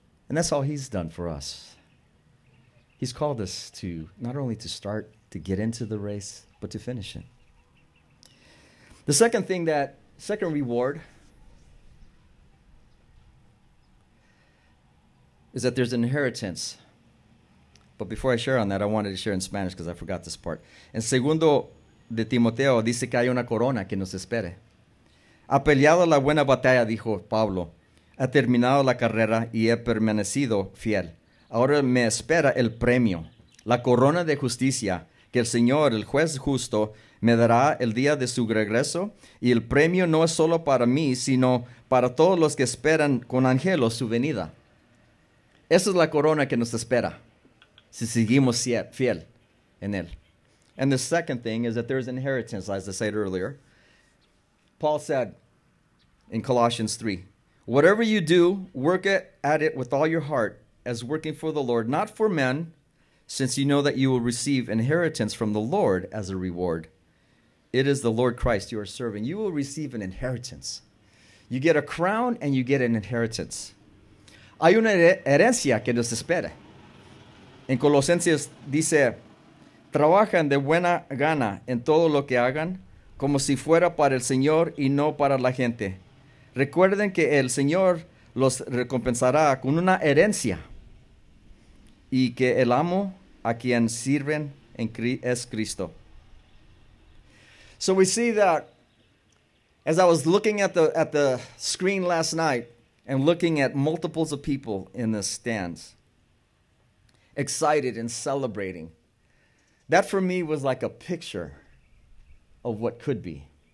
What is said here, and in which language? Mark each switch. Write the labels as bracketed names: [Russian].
[English] And that's all he's done for us. He's called us to not only to start, to get into the race, but to finish it. The second thing that, second reward, is that there's an inheritance. But before I share on that, I wanted to share in Spanish because I forgot this part. [Spanish] En segundo de Timoteo, dice que hay una corona que nos espere. Ha peleado la buena batalla, dijo Pablo. Ha terminado la carrera y he permanecido fiel. Ahora me espera el premio, la corona de justicia, que el Señor, el juez justo, me dará el día de su regreso. Y el premio no es solo para mí, sino para todos los que esperan con anhelo su venida. Esa es la corona que nos espera, si seguimos fiel en él. [English] And the second thing is that there is inheritance, as I said earlier. Paul said in Colossians 3, whatever you do, work at it with all your heart, as working for the Lord, not for men, since you know that you will receive inheritance from the Lord as a reward. It is the Lord Christ you are serving. You will receive an inheritance. You get a crown and you get an inheritance. [Spanish] Hay una herencia que nos espera. En Colosenses dice, trabajan de buena gana en todo lo que hagan, como si fuera para el Señor y no para la gente. Recuerden que el Señor los recompensará con una herencia, y que el amo a quien sirven en es Cristo. [English] So we see that as I was looking at the screen last night and looking at multiples of people in the stands, excited and celebrating, that for me was like a picture of what could be.